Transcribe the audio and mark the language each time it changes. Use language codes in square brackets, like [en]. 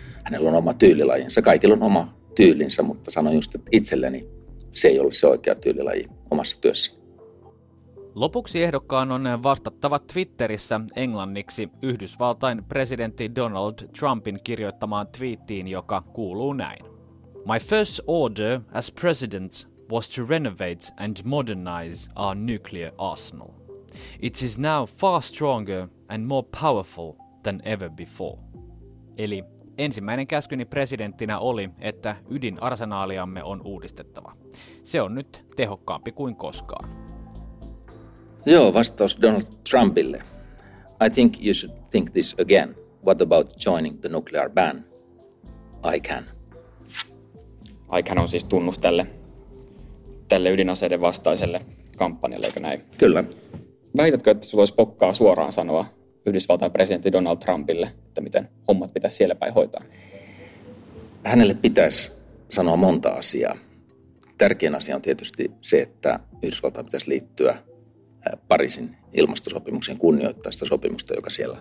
[fi] Hänellä on oma tyylilajinsa. Kaikilla on oma tyylinsä, mutta sanon just, että itselleni se ei ole se oikea tyylilaji omassa työssä. Lopuksi ehdokkaan on vastattava Twitterissä englanniksi Yhdysvaltain presidentti Donald Trumpin kirjoittamaan twiittiin, joka kuuluu näin. [en] My first order as president was to renovate and modernize our nuclear arsenal. It is now far stronger and more powerful than ever before. [fi] Eli ensimmäinen käskyni presidenttinä oli, että ydinarsenaaliamme on uudistettava. Se on nyt tehokkaampi kuin koskaan. Joo, vastaus Donald Trumpille. [en] I think you should think this again. What about joining the nuclear ban? I can [fi] on siis tunnus tälle ydinaseiden vastaiselle kampanjalle, eikö näin? Kyllä. Väitätkö, että sulla olisi pokkaa suoraan sanoa Yhdysvaltain presidentti Donald Trumpille, että miten hommat pitäisi siellä päin hoitaa? Hänelle pitäisi sanoa monta asiaa. Tärkein asia on tietysti se, että Yhdysvaltain pitäisi liittyä Pariisin ilmastosopimuksen kunnioittaa sitä sopimusta, joka siellä...